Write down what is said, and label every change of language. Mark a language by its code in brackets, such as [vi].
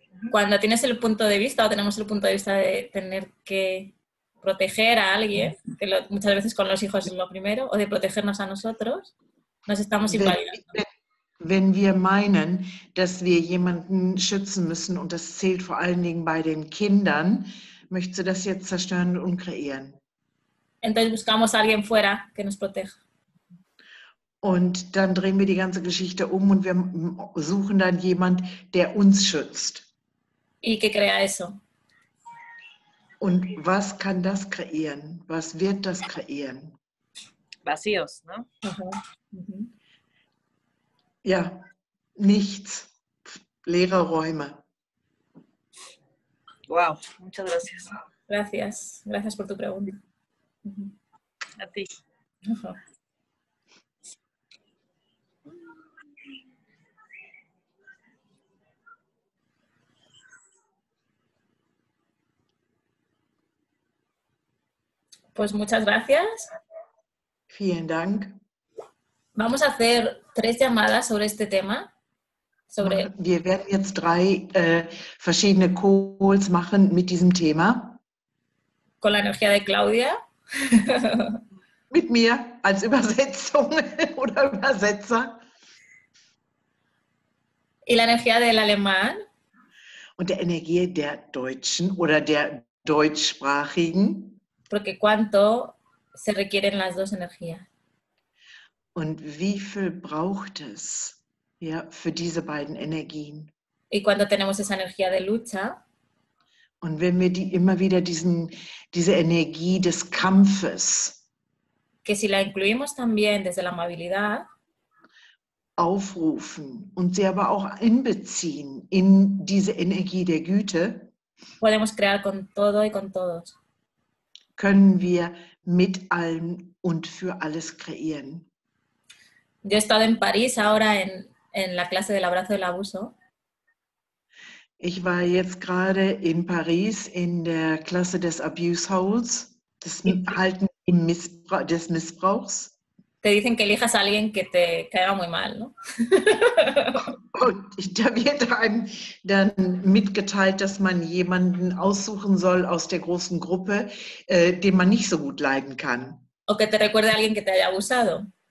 [es] Cuando tienes el punto de vista, o tenemos el punto de vista de tener que proteger a alguien, que lo, muchas veces con los hijos es lo primero, o de protegernos a nosotros, nos estamos invalidando. [de] Wenn wir meinen, dass wir jemanden schützen müssen, und das zählt vor allen Dingen bei den Kindern, möchtest du das jetzt zerstören und kreieren? [es] Entonces buscamos a alguien fuera que nos proteja. [de] Und dann drehen wir die ganze Geschichte um und wir suchen dann jemanden, der uns schützt. [es] Y que crea eso. [de] Und was kann das kreieren? Was wird das kreieren? [es] Vacíos, ¿no? [de] Ja, nichts. Leere Räume. [es] Wow, muchas gracias. Gracias, gracias por tu pregunta. A ti. Pues muchas gracias. [de] Vielen Dank. [es] Vamos a hacer tres llamadas sobre este tema. Sobre... [de] Wir werden jetzt drei verschiedene Calls machen mit diesem Thema. [es] Con la energía de Claudia. [de] Mit mir als Übersetzung oder Übersetzer. [es] Y la energía del alemán. [de] Und der Energie der Deutschen oder der Deutschsprachigen. [es] Porque cuánto se requieren las dos energías. [de] Und wie viel braucht es, ja, für diese beiden Energien? [es] Y cuando tenemos esa energía de lucha. [de] Und wenn wir die immer wieder diese Energie des Kampfes, [es] que si la incluimos también desde la amabilidad, [de] aufrufen und sie aber auch einbeziehen in diese Energie der Güte, [es] podemos crear con todo y con todos. [de] Können wir mit allem und für alles kreieren. [es] Yo he estado en París ahora en la clase del abrazo del abuso. [de] Ich war jetzt gerade in Paris in der Klasse des Abuse Holds, des Halten des Missbrauchs. [es] Te dicen que elijas a alguien que te caiga muy mal, ¿no? [de] Und da wird einem dann mitgeteilt, dass man jemanden aussuchen soll aus der großen Gruppe, den man nicht so gut leiden kann. [es] O que te recuerde a alguien que te haya abusado.